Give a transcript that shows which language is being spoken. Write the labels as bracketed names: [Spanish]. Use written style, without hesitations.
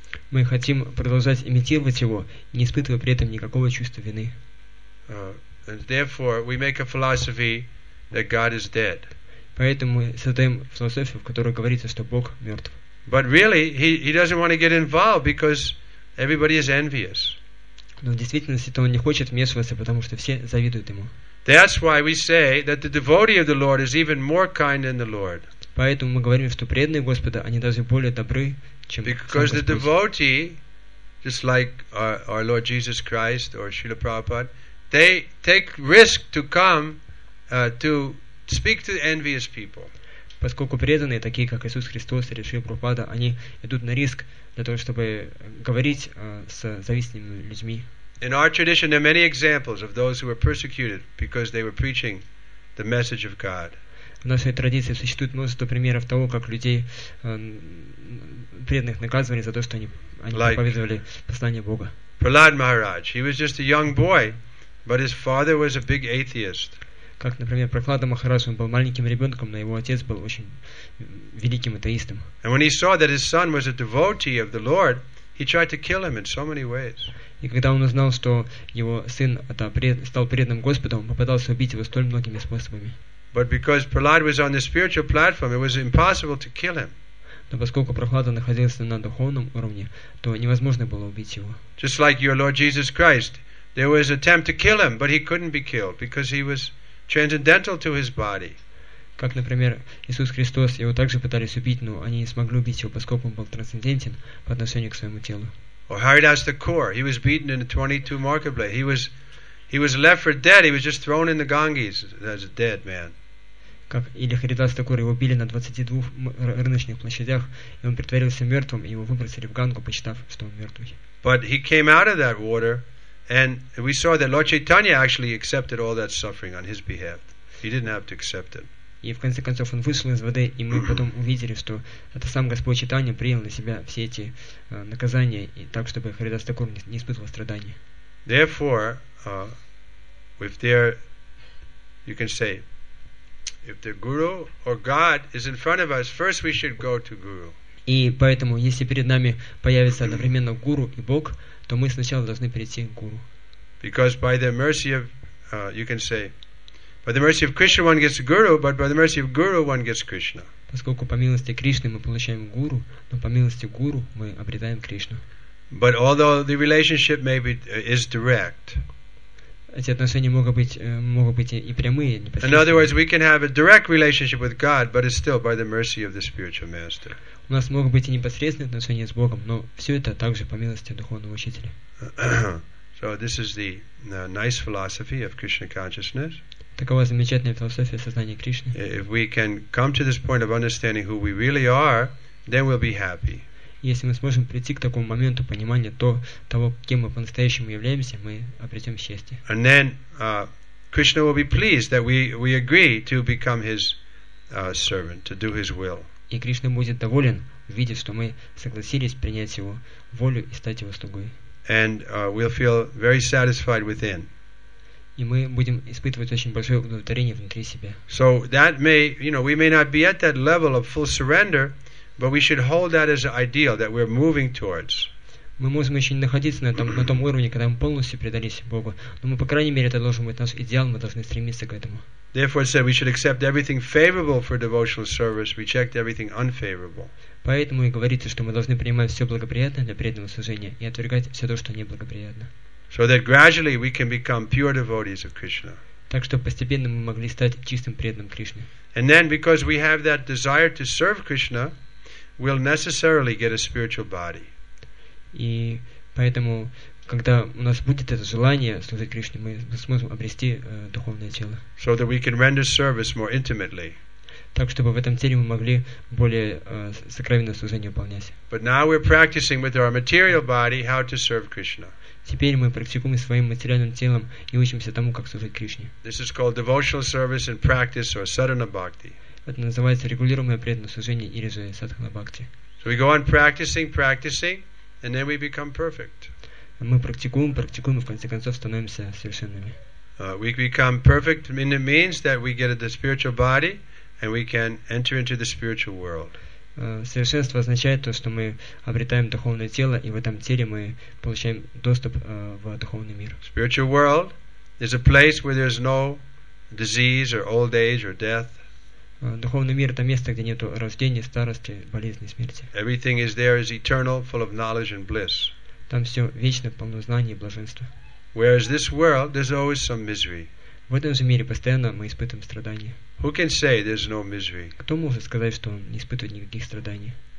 [Russian] Мы хотим продолжать имитировать его, не испытывая при этом никакого чувства вины. [English] And therefore we make a philosophy that God is dead. [Russian] Поэтому мы создаем философию, в которой говорится, что Бог мертв. [English] But really he doesn't want to get involved because everybody is envious. [Russian] Но в действительности он не хочет вмешиваться, потому что все завидуют ему. [English] That's why we say that the devotee of the Lord is even more kind than the Lord. [Russian] Поэтому мы говорим, что преданные Господа, они даже более добры, чем сам Господь. [English] Because the devotee just like our Lord Jesus Christ or Srila Prabhupada, they take risk to come to speak to envious people. [Russian] Поскольку преданные, такие как Иисус Христос или Шри Прабхупада, они идут на риск для того, чтобы говорить с завистливыми людьми. [English] In our tradition, there are many examples of those who were persecuted because they were preaching the message of God. [Russian] В нашей традиции существует множество примеров того, как людей преданных наказывали за то, что они проповедовали послание Бога. [English] Prahlad Maharaj, he was just a young boy, but his father was a big atheist. [Russian] Как, например, Прохлада Махарадж, он был маленьким ребенком, но его отец был очень великим атеистом. [English] And when he saw that his son was a devotee of the Lord, he tried to kill him in so many ways. [Russian] И когда он узнал, что его сын стал преданным Господом, он попытался убить его столь многими способами. [English] But because Prahlad was on the spiritual platform, it was impossible to kill him. [Russian] Но поскольку Прохлада находился на духовном уровне, то невозможно было убить его. [English] Just like your Lord Jesus Christ, there was an attempt to kill him, but he couldn't be killed because he was transcendental to his body. [Russian] Как, например, Иисус Христос, его также пытались убить, но они не смогли убить его, поскольку он был трансцендентен по отношению к своему телу. [English] Or Haridas Thakur, he was beaten in the 22 marketplace. He was left for dead. He was just thrown in the Ganges as a dead man. [Russian] Как или Харидас Такур, его били на 22 рыночных площадях, и он притворился мертвым, и его выбросили в Гангу, посчитав, что он мертвый. [English] But he came out of that water. And we saw that Lord Chaitanya actually accepted all that suffering on his behalf. He didn't have to accept it. [Russian] И в конце концов он вышел из воды, и мы потом увидели, что это сам Господь Чайтанья принял на себя все эти наказания, и так, чтобы Харидас Такур не испытывал страдания. [English] Therefore, if there, you can say, if the Guru or God is in front of us, first we should go to Guru. [Russian] И поэтому, если перед нами появится одновременно Гуру и Бог, то мы сначала должны перейти к Гуру. [English] Because by the mercy of, you can say, by the mercy of Krishna one gets Guru, but by the mercy of Guru one gets Krishna. [Russian] Поскольку по милости Кришны мы получаем Гуру, но по милости Гуру мы обретаем Кришну. [English] But although the relationship may be is direct. [Russian] Эти отношения могут быть и прямые, непосредственные. [English] In other words, we can have a direct relationship with God, but it's still by the mercy of the spiritual master. [Russian] У нас могут быть и непосредственные отношения с Богом, но все это также по милости духовного учителя. [English] So this is the nice philosophy of Krishna consciousness. [Russian] Такова замечательная философия сознания Кришны. [English] If we can come to this point of understanding who we really are, then we'll be happy. [Russian] Если мы сможем прийти к такому моменту понимания того, кем мы по-настоящему являемся, мы обретем счастье. [English] And then Krishna will be pleased that we agree to become his servant, to do his will. [Russian] И Кришна будет доволен, увидев, что мы согласились принять его волю и стать его слугой. [English] And we'll feel very satisfied within. [Russian] И мы будем испытывать очень большое удовлетворение внутри себя. [English] So that may, you know, we may not be at that level of full surrender, but we should hold that as an ideal that we're moving towards. [Russian] Мы можем еще не находиться на том уровне, когда мы полностью предались Богу, но мы, по крайней мере, это должен быть наш идеал, мы должны стремиться к этому. [English] Therefore, said we should accept everything favorable for devotional service, reject everything unfavorable. [Russian] Поэтому и говорится, что мы должны принимать все благоприятное для преданного служения и отвергать все то, что неблагоприятно. [English] So that gradually we can become pure devotees of Krishna. [Russian] Так что постепенно мы могли стать чистым преданным Кришне. [English] And then, because we have that desire to serve Krishna, we'll necessarily get a spiritual body. [Russian] И поэтому, когда у нас будет это желание служить Кришне, мы сможем обрести духовное тело. [English] So that we can render service more intimately. [Russian] Так, чтобы в этом теле мы могли более сокровенное служение выполнять. [English] But now we're practicing with our material body how to serve Krishna. [Russian] Теперь мы практикуем своим материальным телом и учимся тому, как служить Кришне. [English] This is called devotional service in practice or sadhana bhakti. [Russian] Это называется регулируемое преданное служение или же садхана бхакти. [English] So we go on practicing, and then we become perfect. [Russian] Мы практикуем, и в конце концов становимся совершенными. [English] We become perfect in the means that we get the spiritual body, and we can enter into the spiritual world. [Russian] Совершенство означает то, что мы обретаем духовное тело, и в этом теле мы получаем доступ в духовный мир. [English] Spiritual world is a place where there's no disease or old age or death. [Russian] Духовный мир — это место, где нету рождения, старости, болезни, смерти. [English] Everything is there is eternal, full of knowledge and bliss. [Russian] Там все вечно, полно знаний и блаженства. [English] Whereas this world, there's always some misery. [Russian] В этом же мире постоянно мы испытываем страдания. [English] Who can say there's no misery? [Russian] Кто может сказать, что он не испытывает никаких страданий?